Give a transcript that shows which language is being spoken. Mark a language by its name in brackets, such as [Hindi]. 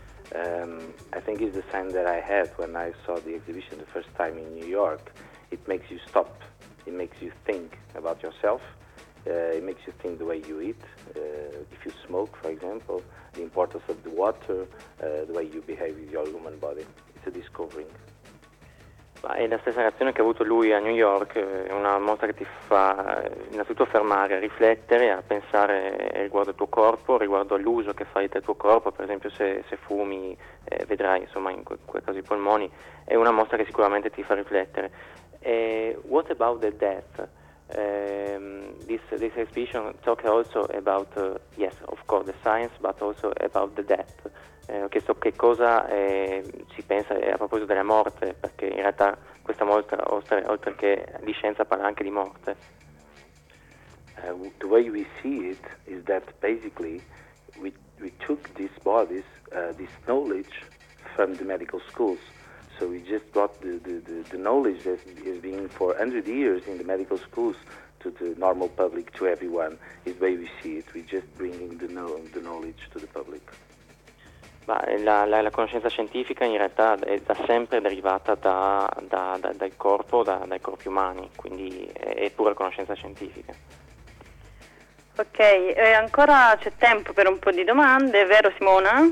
[English] I think it's the sign that I had when I saw the exhibition the first time in New York. It makes you stop, it makes you think about yourself, it makes you think the way you eat, if you smoke, for example, the importance of the water, the way you behave with your human body. It's a discovering. [Italian] È la stessa reazione che ha avuto lui a New York, è una mostra che ti fa innanzitutto fermare, a riflettere, a pensare riguardo al tuo corpo, riguardo all'uso che fai del tuo corpo, per esempio se fumi vedrai insomma in quel caso i polmoni, è una mostra che sicuramente ti fa riflettere. [English] What about the death? This exhibition talk also about, yes, of course, the science, but also about the death. [Italian] Ho chiesto che cosa si pensa a proposito della morte, perché in realtà questa mostra, oltre che di scienza, parla anche di morte. [English] The way we see it is that basically we took these bodies, this knowledge from the medical schools. So we just brought the knowledge that has been for 100 years in the medical schools to the normal public, to everyone, is the way we see it. We're just bringing the knowledge to the public. [Italian] Ma la conoscenza scientifica in realtà è da sempre derivata dal corpo, dai corpi umani, quindi è pura conoscenza scientifica. Ok, ancora c'è tempo per un po' di domande, vero Simona?